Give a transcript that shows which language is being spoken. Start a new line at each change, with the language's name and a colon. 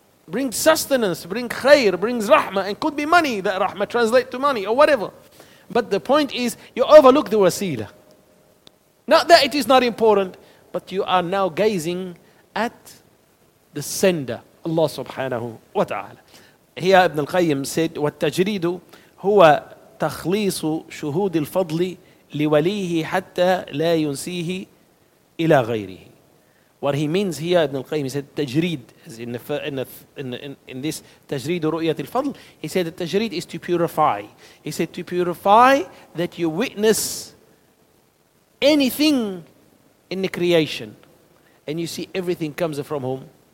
English: bring sustenance, bring khair, brings rahmah, and could be money, that rahmah translate to money or whatever. But the point is, you overlook the wasila. Not that it is not important, but you are now gazing at the sender, Allah subhanahu wa ta'ala. Here Ibn al-Qayyim said,
Arabic: وَالتَّجْرِيدُ هُوَ تَخْلِيصُ شُهُودِ الْفَضْلِ لِوَلِيهِ حَتَّى لَا يُنْسِيهِ إِلَى غَيْرِهِ.
English: What he means here, Ibn al-Qayyim, he said, تَجْرِيد, in this,
Arabic: تَجْرِيدُ رُؤْيَةِ الْفَضْلِ,
English: he said that تَجْرِيد is to purify. He said to purify that you witness anything in the creation. And you see everything comes from whom?